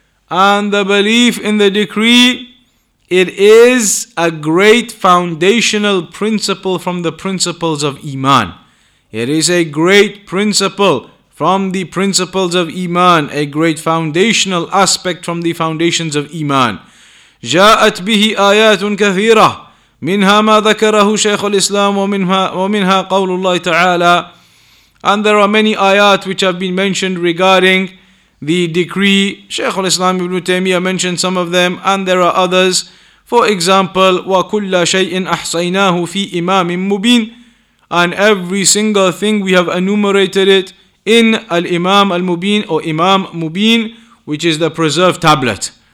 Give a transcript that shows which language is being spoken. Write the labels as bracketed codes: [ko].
[en] And the belief in the decree, it is a great foundational principle from the principles of Iman. It is a great principle from the principles of Iman, a great foundational aspect from the foundations of Iman. [ar] جاءت به آيات كثيرة منها ما ذكره شيخ الإسلام ومنها قول الله تعالى. [en] And there are many ayat which have been mentioned regarding the decree. Shaykh al-Islam ibn Taymiyyah mentioned some of them, and there are others. For example, [ar] وَكُلَّ شَيْءٍ أَحْصَيْنَاهُ فِي إِمَامٍ مُبِينٍ. [en] And every single thing we have enumerated it in Al-Imam Al-Mubin or Imam Mubin, which is the preserved tablet.